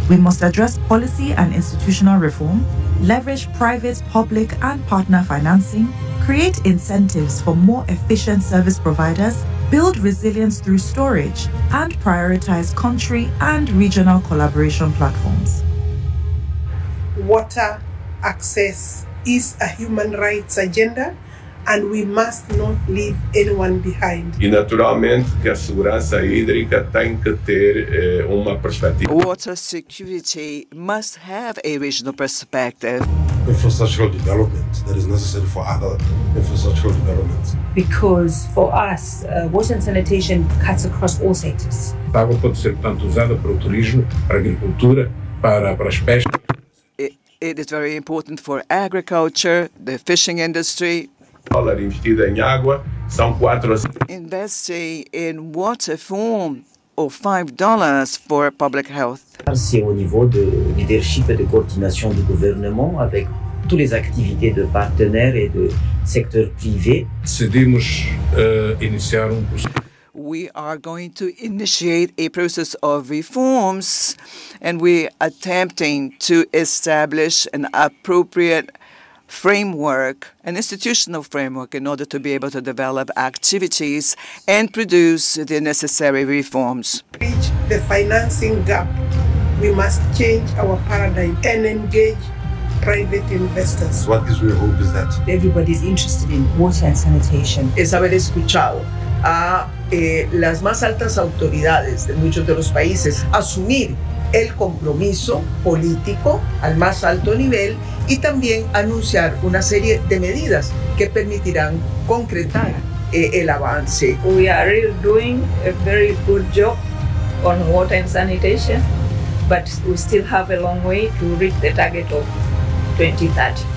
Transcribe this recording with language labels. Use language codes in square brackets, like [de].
[en] We must address policy and institutional reform, leverage private, public, and partner financing, create incentives for more efficient service providers, build resilience through storage, and prioritize country and regional collaboration platforms. Water access is a human rights agenda, and we must not leave anyone behind. [pt] E naturalmente que a segurança hídrica tem que ter uma perspectiva. [en] Water security must have a regional perspective. Infrastructural development that is necessary for other infrastructural development. Because for us, water and sanitation cuts across all sectors. [pt] A água pode ser tanto usada para o turismo, para a agricultura, para as pescas. [en] It is very important for agriculture, the fishing industry. [pt] Dólar investido em água são 4. [en] Investing in water form or $5 for public health. [fr] C'est au niveau de leadership et de coordination du gouvernement avec tous les activités de partenaires et de secteur privé. [pt] Decidimos iniciar um processo. [en] We are going to initiate a process of reforms, and we are attempting to establish an appropriate framework, an institutional framework, in order to be able to develop activities and produce the necessary reforms. Bridge the financing gap. We must change our paradigm and engage private investors. What is your hope is that? Everybody's interested in water and sanitation. [es] Es haber escuchado a las más altas autoridades de muchos de los países asumir el compromiso político al más alto nivel y también anunciar una serie de medidas que permitirán concretar el avance. [en] We are really doing a very good job on water and sanitation, but we still have a long way to reach the target of 2030.